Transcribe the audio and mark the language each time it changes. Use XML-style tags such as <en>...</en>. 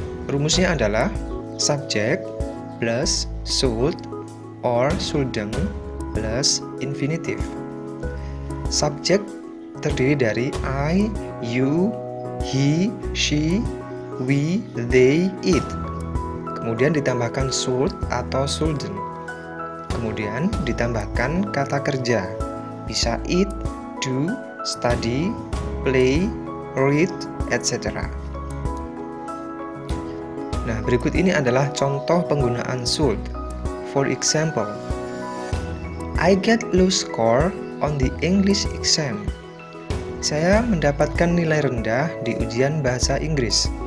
<id>Rumusnya adalah subject plus should or shouldn't plus infinitive. Subject terdiri dari I, you, he, she, we, they, it. Kemudian ditambahkan should atau shouldn't. Kemudian ditambahkan kata kerja. Bisa it, do, study, play, read, etc. Nah, berikut ini adalah contoh penggunaan should.</id> <en>For example, I get low score on the English exam.</en> <id>Saya mendapatkan nilai rendah di ujian bahasa Inggris.</id>